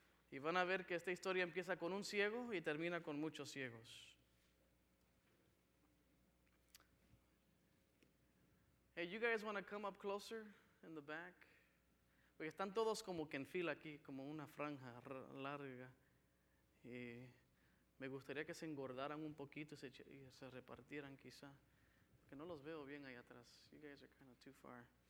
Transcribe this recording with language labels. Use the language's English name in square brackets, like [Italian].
[Spanish] Y van a ver que esta historia empieza con un ciego y termina con muchos ciegos. [English] Hey, you guys want to come up closer in the back? [Spanish] Porque están todos como que en fila aquí, como una franja larga. Y me gustaría que se engordaran un poquito y se repartieran quizá. Porque no los veo bien ahí atrás. [English] You guys are kind of too far.